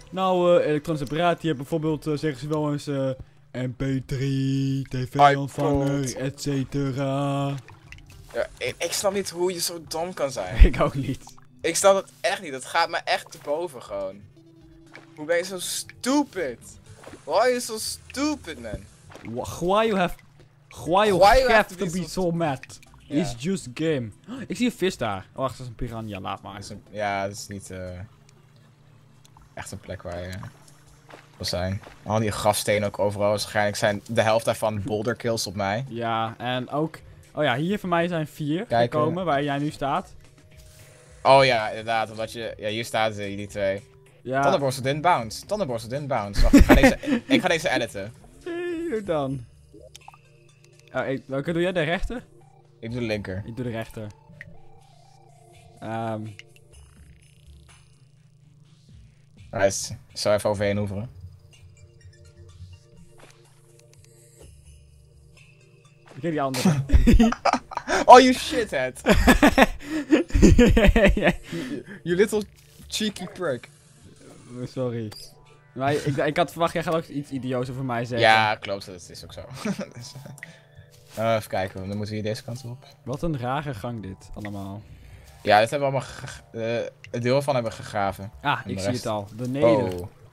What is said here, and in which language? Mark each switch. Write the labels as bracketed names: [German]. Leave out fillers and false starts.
[Dutch] Nou, elektronische apparaten, die hebben bijvoorbeeld, zeggen ze wel eens... MP3, tv-ontvanger, et cetera. Ja, ik snap niet hoe je zo dom kan zijn. Ik ook niet. Ik snap het echt niet, dat gaat me echt te boven gewoon. Hoe ben je zo stupid? [English] Why are you so stupid, man? Why you have to be so mad? Yeah. It's just game. [Dutch] Ik zie een vis daar. Oh, wacht, dat is een piranha. Laat maar. Dat is niet echt een plek waar je wil zijn. Al die grafstenen ook overal. Waarschijnlijk zijn de helft daarvan boulder kills op mij. Ja, en ook... Oh ja, hier van mij zijn vier gekomen, waar jij nu staat. Oh ja, inderdaad. Omdat je... Ja, hier staan ze, die twee. Ja. [English] Thunderborstel didn't bounce. Thunderborstel didn't bounce. [Dutch] Wacht, ik ga deze editen. Hoe dan? Oh, welke doe jij? De rechter? Ik doe de linker. Ik doe de rechter. [English] Nice. [Dutch] Ik zal even overheen hoeveren. Ik heb die andere. [English] Oh, you shithead. you little cheeky prick. [Dutch] Sorry. Maar ik had verwacht, jij gaat ook iets idioos over mij zeggen. Ja, klopt. Dat is ook zo. even kijken, dan moeten we hier deze kant op. Wat een rare gang dit, allemaal. Ja, dit hebben we allemaal... een deel van hebben gegraven. Ah, ik zie het al. Beneden. Wow.